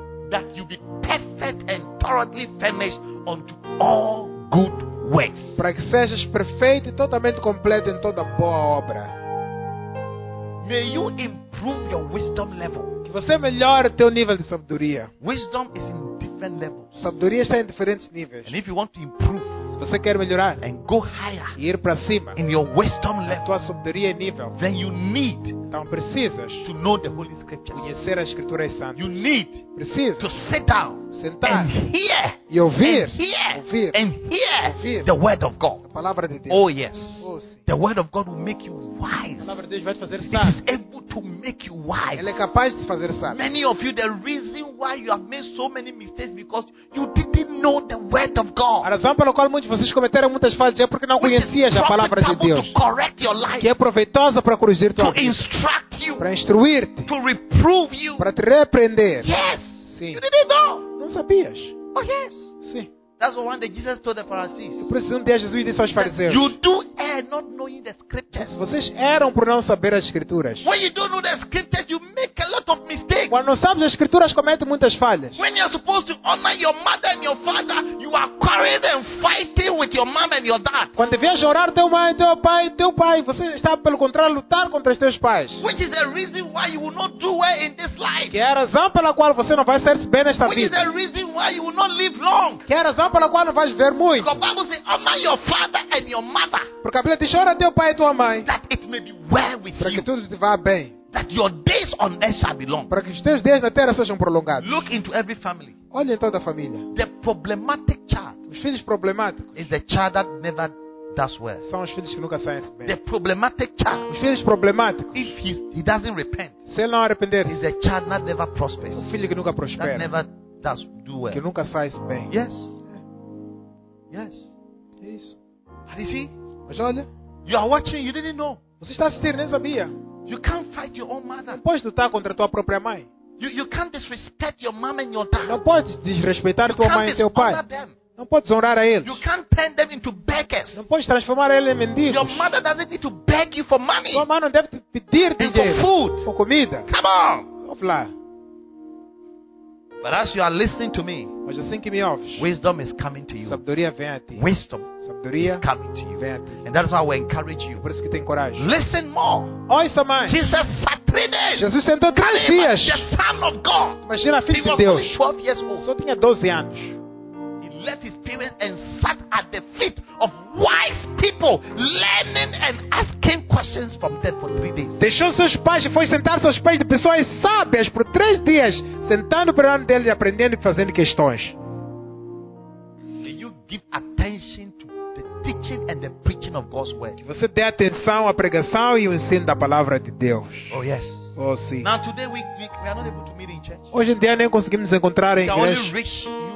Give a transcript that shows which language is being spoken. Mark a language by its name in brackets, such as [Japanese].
[English] That you be perfect and thoroughly furnished unto all good works. [Portuguese] Para que sejas perfeito e totalmente completo em toda boa obra. [English] May you improve your wisdom level. [Portuguese] Que você melhore teu nível de sabedoria. [English] Wisdom is in different levels. [Portuguese] Sabedoria está em diferentes níveis. [English] And if you want to improve, [Portuguese] se você quer melhorar, [English] and go higher, [Portuguese] e ir para cima, [English] in your wisdom level, [Portuguese] tua sabedoria nível, [English] then you need, [Portuguese] então precisas, [English] to know the Holy Scriptures. [Portuguese] Conhecer as Escrituras Santas. [English] You need, [Portuguese] precisas, [English] to sit down, [Portuguese] sentar, [English] and hear, [Portuguese] e ouvir, [English] and hear, [Portuguese] ouvir, [English] and hear, [Portuguese] ouvir, [English] the word of God. [Portuguese] A palavra de Deus. [English] Oh yes. Oh, the word of God will make you wise. [Portuguese] A palavra de Deus vai te fazer sábio. [English] It is able to make you wise. [Portuguese] Ele é capaz de te fazer sábio. [English] Many of you, the reason why you have made so many mistakes because you didn't know the word of God. [Portuguese] A razão pela qual muitos de vocês cometeram muitas falhas é porque não conhecias a palavra de Deus. [English] To correct your life, [Portuguese] que é proveitosa para corrigir tua [English] to [Portuguese] vida. [English] To instruct you, [Portuguese] para instruir-te. [English] To reprove you, [Portuguese] para te repreender. [English] Yes. [Portuguese] Sim. [English] You didn't know. [Portuguese] Não sabias. [English] Oh yes. [Portuguese] Sim. [English] That's the one that Jesus told the Pharisees. [Portuguese] Por isso um dia Jesus disse aos fariseus. [English] You do err not knowing the scriptures. [Portuguese] Vocês erram por não saber as escrituras. [English] When you don't know the scriptures, you make a lot of mistakes. [Portuguese] Quando não sabes as escrituras, comete muitas falhas. [English] When you are supposed to honor your mother and your father, you are quarreling and fighting with your mom and your dad. [Portuguese] Quando devias honrar teu mãe, teu pai, você está pelo contrário lutar contra os teus pais. [English] Which is the reason why you will not do well in this life. [Portuguese] Que é a razão pela qual você não vai ser bem nesta vida. [English] Which is the reason why you will not live long. [Portuguese] Que é a razão pela qual não vais viver muito. [English] Honor your father and your mother. [Portuguese] Porque a Bíblia diz, honra teu pai e tua mãe. [English] That it may be well with [Portuguese] para [English] you. [Portuguese] Que tudo te vá bem. [English] That your days on earth shall be long. [Portuguese] Para que os teus dias na terra sejam prolongados. [English] Look into every family. [Portuguese] Olhe em toda a família. [English] The problematic child. [Portuguese] Os filhos problemáticos. [English] Is the child that never does well. [Portuguese] São os filhos que nunca saem bem. [English] The problematic child. [Portuguese] Os filhos problemáticos. [English] If he doesn't repent. [Portuguese] Se ele não arrepender. [English] Is a child that never prospers. [Portuguese] Um filho que nunca prospera. [English] That never does do well. [Portuguese] Que nunca sai bem. [English] Yes. Yes. [Portuguese] É isso. [English] Are you see? [Portuguese] Mas olha. [English] You are watching, you didn't know. [Portuguese] Você está assistindo, nem sabia. [English] You can't fight your own mother. [Portuguese] Não podes lutar contra tua própria mãe. [English] You can't disrespect your mom and your dad. [Portuguese] Não podes desrespeitar tua mãe e teu pai. [English] Them. [Portuguese] Não podes honrar a eles. [English] You can't turn them into beggars. [Portuguese] Não podes transformar eles em mendigos. [English] Your mother doesn't need to beg you for money. [Portuguese] Tua mãe não deve te pedir dinheiro. [English] For food. [Portuguese] Por comida. [English] Come on. [Portuguese] Oh, Ouve lá. [English] But as you are listening to me, [Portuguese] mas assim que me ouves, [English] wisdom is coming to you. [Portuguese] Sabedoria vem a ti. [English] Wisdom [Portuguese] sabedoria [English] is coming to you. [Portuguese] Vem a ti. [English] And that is why we encourage you. [Portuguese] Por isso que te encorajo. [English] Listen more. [Portuguese] Ouça mais. [English] Jesus sat 3 days. [Portuguese] Jesus sentou 3 dias. [English] The Son of God. [Portuguese] Imagina, filho [English] he [Portuguese] de Deus. [English] Was 12 years old. [Portuguese] Só tinha 12 anos. [English] He left his parents and sat at the feet of wise people, learning and asking questions from them for 3 days. [Portuguese] Deixou seus pais e foi sentar-se aos pés de pessoas sábias por 3 dias, sentando perante dele, aprendendo e fazendo questões. [English] Do you give attention to the teaching and the preaching of God's word? [Portuguese] Você dê atenção à pregação e ao ensino da palavra de Deus? [English] Oh yes. [Portuguese] Oh sim. [English] Now today we are not able to meet in church. [Portuguese] Hoje em dia nem conseguimos encontrar em igreja.